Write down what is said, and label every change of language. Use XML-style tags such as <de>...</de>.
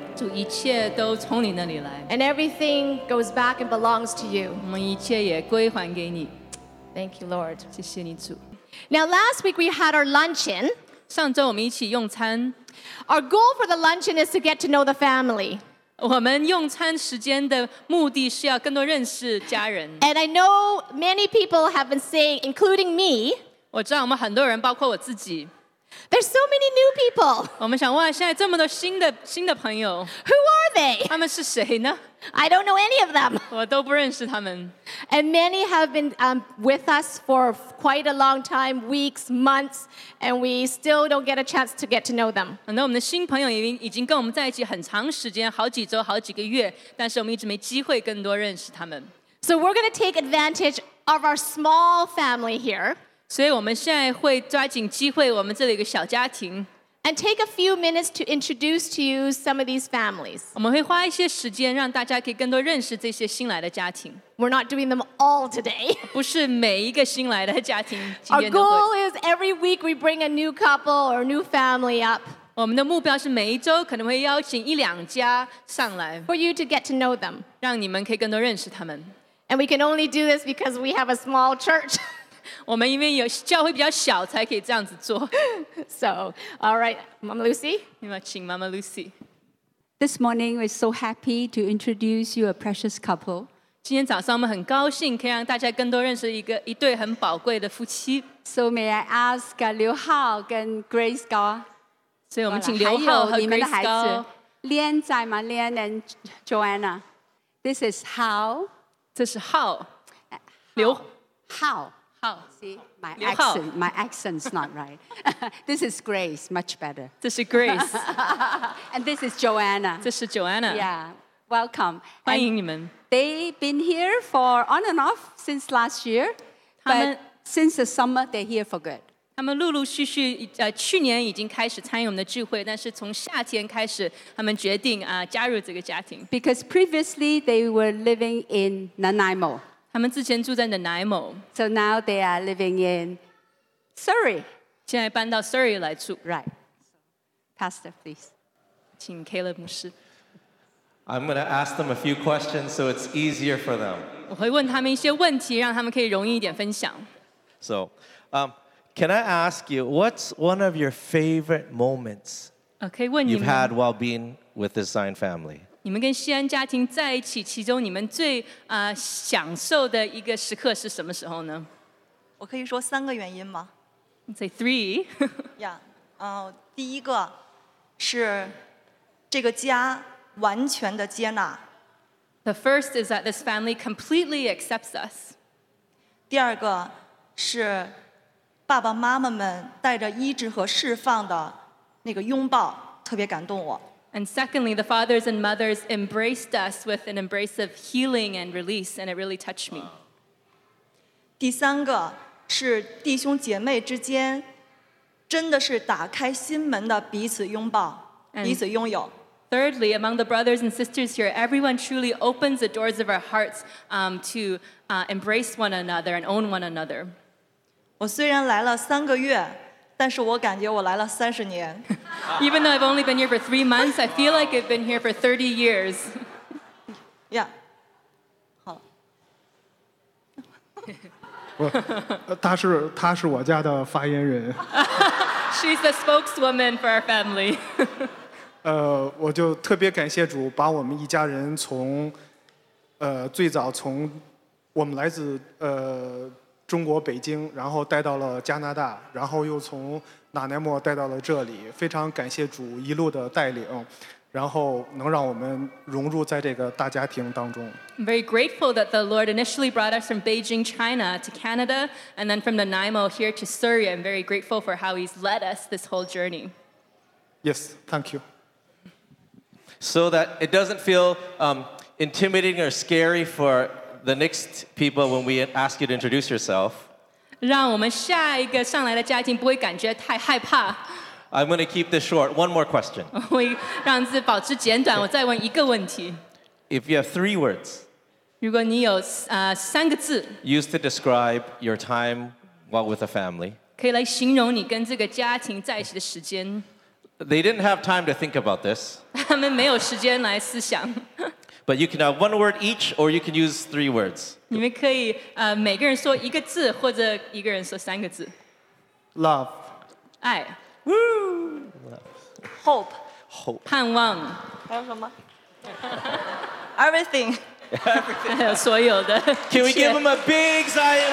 <zh>主一切都从你那里来。</zh> <en>And everything goes back and belongs to you.</en> <zh>我们一切也归还给你。</zh> <en>Thank you, Lord.</en> <zh>谢谢你主。</zh> <en>Now, last week we had our luncheon.</en> <zh>上周我们一起用餐。</zh> <en>Our goal for the luncheon is to get to know the family.</en> <zh>我们用餐时间的目的是要更多认识家人。</zh> <en>And I know many people have been saying, including me,</en> <zh>我知道我们很多人包括我自己。</zh> <en>There's so many new people.</en> <zh>我们想问现在这么多新的朋友。</zh> <en>Who are they?</en> <zh>他们是谁呢?</zh> <en>I don't know any of them.</en> <zh>我都不认识他们。</zh> <en>And many have been with us for quite a long time, weeks, months, and we still don't get a chance to get to know them.</en> <zh>很多我们的新朋友已经跟我们在一起很长时间，好几周，好几个月，但是我们一直没机会更多认识他们。</zh> <en>So we're going to take advantage of our small family here.</en> <zh>所以我们现在会抓紧机会，我们这里有个小家庭。</zh> <en>And take a few minutes to introduce to you some of these families.</en> <zh>我们会花一些时间让大家可以更多认识这些新来的家庭。</zh> <en>We're not doing them all today.</en> <zh>不是每一个新来的家庭今天都会。</zh> <en>Our goal is every week we bring a new couple or a new family up.</en> <zh>我们的目标是每一周可能会邀请一两家上来。</zh> <en>For you to get to know them.</en> <zh>让你们可以更多认识他们。</zh> <en>And we can only do this because we have a small church.</en> <zh>我们因为有教会比较小，才可以这样子做。</zh> <en>So, all right, Mama Lucy.</en> <zh>你们请 Mama Lucy.</zh> <en>This morning, we're so happy to introduce you a precious couple.</en> <zh>今天早上我们很高兴可以让大家更多认识一对很宝贵的夫妻。</zh> <en>So may I ask 刘浩跟 Grace 高？</en> <zh>所以我们请刘浩和 Grace 高。还有你们的孩子 ，Lian 在吗 ？Lian and Joanna.</zh> <en>This is Hao.</en> <zh>这是 Hao. 刘</zh> <en>Hao. How? See, my accent's not right. This is Grace, much better. This is Grace. And this is Joanna. This is Joanna. Yeah, welcome.</en> <zh>欢迎你们.</zh> <en>They've been here for on and off since last year, but since the summer, they're here for good.</en> <zh>他们陆陆续续去年已经开始参与我们的聚会，但是从夏天开始，他们决定加入这个家庭.</zh> <en>Because previously, they were living in Nanaimo.</en> <zh>他们之前住在 Nanaimo.</zh> <en>So now they are living in Surrey.</en> <zh>现在搬到 Surrey 来住。</zh> <en>Right. Pastor, please.</en> <zh>请 Caleb 牧师。</zh> <en>I'm going to ask them a few questions so it's easier for them.</en> <zh>我会问他们一些问题，让他们可以容易一点分享。</zh> <en>So, can I ask you, what's one of your favorite moments you've had while being with the Zion family?</en> <zh>你们跟西安家庭在一起，其中你们最享受的一个时刻是什么时候呢？我可以说三个原因吗</zh> <en>？Say three. Yeah.</en> <zh>第一个是这个家完全的接纳。</zh> <en>The first is that this family completely accepts us.</en> <zh>第二个是爸爸妈妈们带着医治和释放的那个拥抱，特别感动我。</zh> <en>And secondly, the fathers and mothers embraced us with an embrace of healing and release, and it really touched me.</en> <zh>第三个是弟兄姐妹之间真的是打开心门的彼此拥抱，彼此拥有。</zh> <en>Thirdly, among the brothers and sisters here, everyone truly opens the doors of our hearts to embrace one another and own one another.</en> <zh>我虽然来了三个月但是我感觉我来了三十年。</zh> <en>Even though I've only been here for 3 months, I feel like I've been here for 30 years. Yeah.</en> <zh>好了。他是我家的发言人。</zh> <en>She's the spokeswoman for our family.</en> <zh>我就特别感谢主把我们一家人从最早从我们来自中国北京，然后带到了加拿大，然后又从纳奈莫带到了这里。非常感谢主一路的带领，然后能让我们融入在这个大家庭当中。</zh> <en>I'm very grateful that the Lord initially brought us from Beijing, China to Canada, and then from the Nanaimo here to Surrey. I'm very grateful for how He's led us this whole journey. Yes, thank you. So that it doesn't feel intimidating or scary for. The next people, when we ask you to introduce yourself,</en> <zh>让我们下一个上来的家庭不会感觉太害怕。</zh> <en>I'm going to keep this short. One more question.</en> <zh>我让自己保持简短，我再问一个问题。</zh> <en>If you have three words,</en> <zh>如果你有三个字</zh> <en>，used to describe your time while with a family,</en> <zh>可以来形容你跟这个家庭在一起的时间。</zh> <en>They didn't have time to think about this.</en> <zh>他们没有时间来思想。</zh> <en>But you can have one word each, or you can use three words.</en> <zh>你们可以每个人说一个字，或者一个人说三个字。</zh> <en>Love.</en> <zh>爱。 Woo.</zh> <en>Hope. Hope.</en> <zh>盼望。还有什么？</zh> <en>Everything. Everything.</en> <zh>所有的。</zh> <en>Can we give them a big sigh?</en>